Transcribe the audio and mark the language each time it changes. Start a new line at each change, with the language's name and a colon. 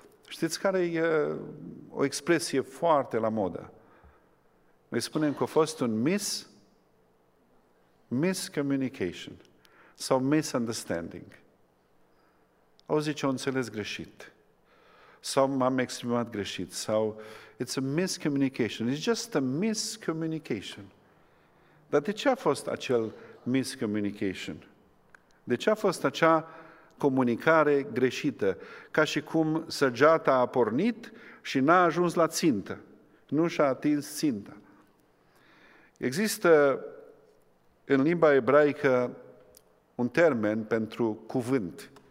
Romanian: Știți care e o expresie foarte la modă? Noi spunem că a fost un miscommunication sau misunderstanding. Au zis, o înțeles greșit. Sau m-am exprimat greșit. Sau
English: it's a miscommunication. It's just a miscommunication.
Romanian: Dar de ce a fost acel miscommunication? De ce a fost acea comunicare greșită? Ca și cum săgeata a pornit și n-a ajuns la țintă. Nu și-a atins ținta. Există în limba ebraică un termen pentru cuvânt.